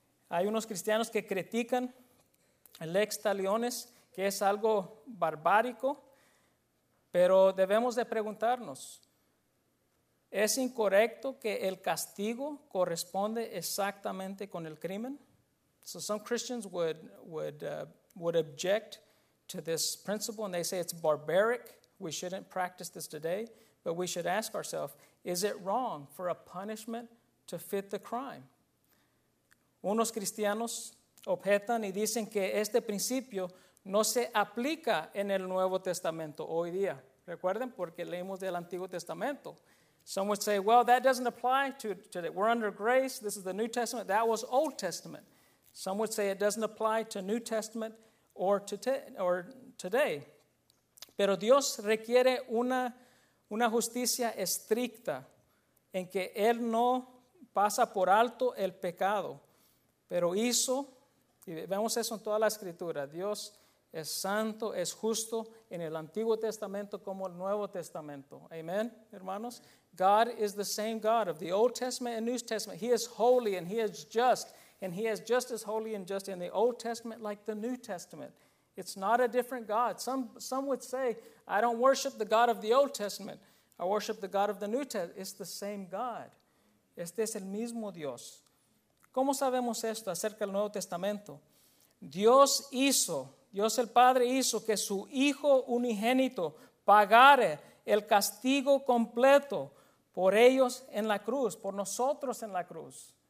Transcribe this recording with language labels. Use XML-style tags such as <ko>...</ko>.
<es>Hay unos cristianos que critican el Lex Talionis, que es algo barbárico, pero debemos de preguntarnos, ¿es incorrecto que el castigo corresponde exactamente con el crimen?</es> <en>So some Christians would object to this principle, and they say it's barbaric, we shouldn't practice this today, but we should ask ourselves, is it wrong for a punishment to fit the crime?</en> <es>Unos cristianos objetan y dicen que este principio no se aplica en el Nuevo Testamento hoy día. Recuerden, porque leímos del Antiguo Testamento.</es> <en>Some would say, well, that doesn't apply to today. We're under grace. This is the New Testament. That was Old Testament. Some would say it doesn't apply to New Testament or today.</en> <es>Pero Dios requiere una justicia estricta en que Él no pasa por alto el pecado, pero hizo, y vemos eso en toda la Escritura, Dios es santo, es justo en el Antiguo Testamento como el Nuevo Testamento. Amen, hermanos.</es> <en>God is the same God of the Old Testament and New Testament. He is holy and he is just, and he is just as holy and just in the Old Testament like the New Testament. It's not a different God. Some would say, I don't worship the God of the Old Testament. I worship the God of the New Testament. It's the same God.</en> <es>Este es el mismo Dios. ¿Cómo sabemos esto acerca del Nuevo Testamento? Dios el Padre hizo que su Hijo unigénito pagara el castigo completo por ellos en la cruz, por nosotros en la cruz.</es>